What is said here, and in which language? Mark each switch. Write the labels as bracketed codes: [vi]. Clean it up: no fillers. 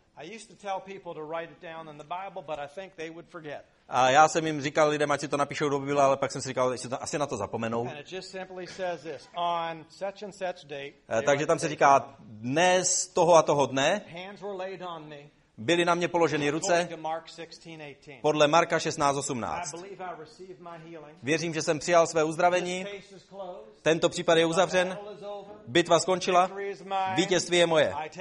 [en] I used to tell people to write it down in the Bible, but I think they would forget. [cs] A já jsem jim říkal lidem, ať si to napíšou do Bible, ale pak jsem si říkal, že si to asi na to zapomenou. [en] And it just simply says this, on such and such date. [cs] Takže tam se říká dnes toho a toho dne. [en] Hands were laid on me. [cs] Byly na mě položeny ruce podle Marka 16:18. Věřím, že jsem přijal své uzdravení. Tento případ je uzavřen. Bitva skončila. Vítězství je moje.